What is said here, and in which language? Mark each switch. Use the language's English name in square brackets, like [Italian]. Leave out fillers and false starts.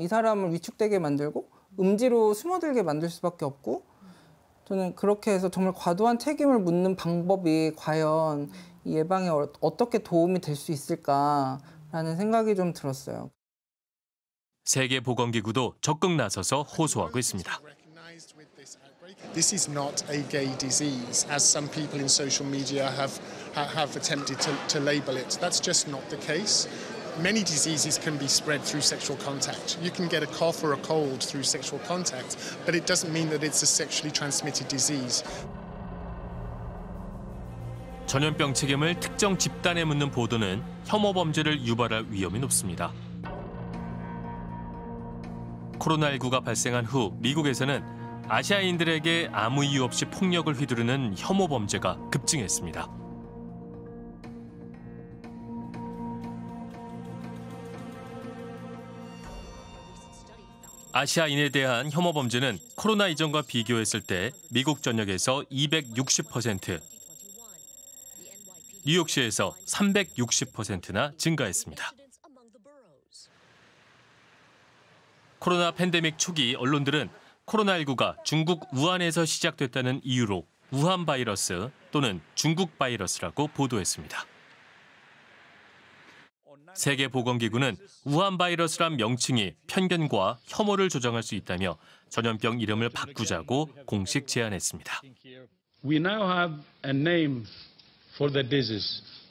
[Korean] 이 사람을 위축되게 만들고 음지로 숨어들게 만들 수밖에 없고, 저는 그렇게 해서 정말 과도한 책임을 묻는 방법이 과연 예방에 어떻게 도움이 될 수 있을까라는 생각이 좀 들었어요. 세계보건기구도 적극 나서서 호소하고 있습니다. [English] This is not a gay disease, as some people in social media have attempted to label it. That's just not the case. Many diseases can be spread through sexual contact. You can get a cough or a cold through sexual contact, but it doesn't mean that it's a sexually transmitted disease. [Korean] 전염병 책임을 특정 집단에 묻는 보도는 혐오 범죄를 유발할 위험이 높습니다. 코로나19가 발생한 후 미국에서는 아시아인들에게 아무 이유 없이 폭력을 휘두르는 혐오 범죄가 급증했습니다. 아시아인에 대한 혐오 범죄는 코로나 이전과 비교했을 때 미국 전역에서 260%, 뉴욕시에서 360%나 증가했습니다. 코로나 팬데믹 초기 언론들은 코로나19가 중국 우한에서 시작됐다는 이유로 우한 바이러스 또는 중국 바이러스라고 보도했습니다. 세계보건기구는 우한 바이러스란 명칭이 편견과 혐오를 조장할 수 있다며 전염병 이름을 바꾸자고 공식 제안했습니다. [English] We now have a name for the disease.